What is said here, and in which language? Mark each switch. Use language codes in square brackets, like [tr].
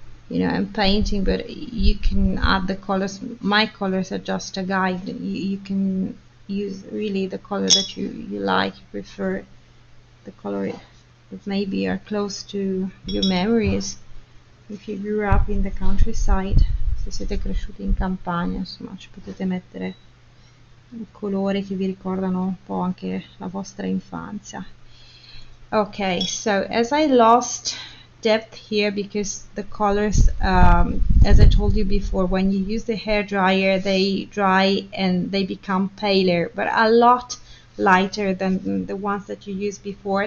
[en] You know, I'm painting, but you can add the colors. My colors are just a guide. You can use really the color that you like, prefer the color that maybe are close to your memories if you grew up in the countryside. [it] Se siete cresciuti in campagna, insomma, ci potete mettere un colore che vi ricordano un po' anche la vostra infanzia. [en] Okay, so as I lost depth here because the colors, as I told you before, when you use the hair dryer, they dry and they become paler, but a lot lighter than the ones that you used before.